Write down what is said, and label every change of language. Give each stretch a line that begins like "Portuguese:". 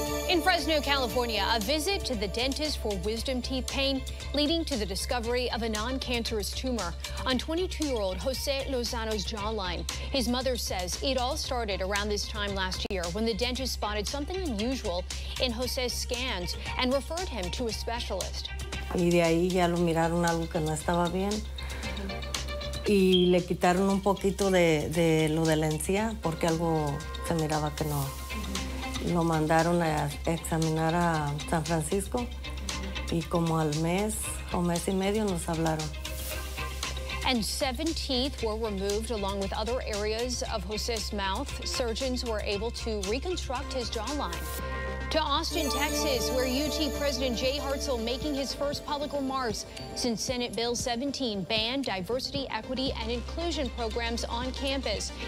English: In Fresno, California, a visit to the dentist for wisdom teeth pain leading to the discovery of a non-cancerous tumor on 22-year-old Jose Lozano's jawline. His mother says it all started around this time last year when the dentist spotted something unusual in Jose's scans and referred him to a specialist.
Spanish: Y de ahí ya lo miraron algo que no estaba bien. Y le quitaron un poquito de lo de la encía porque algo se miraba que no. Lo mandaron a examinar a San Francisco y como al mes o mes y medio nos hablaron.
English: And 7 teeth were removed along with other areas of Jose's mouth. Surgeons were able to reconstruct his jawline. To Austin, Texas, where UT President Jay Hartzell making his first public remarks since Senate Bill 17 banned diversity, equity, and inclusion programs on campus.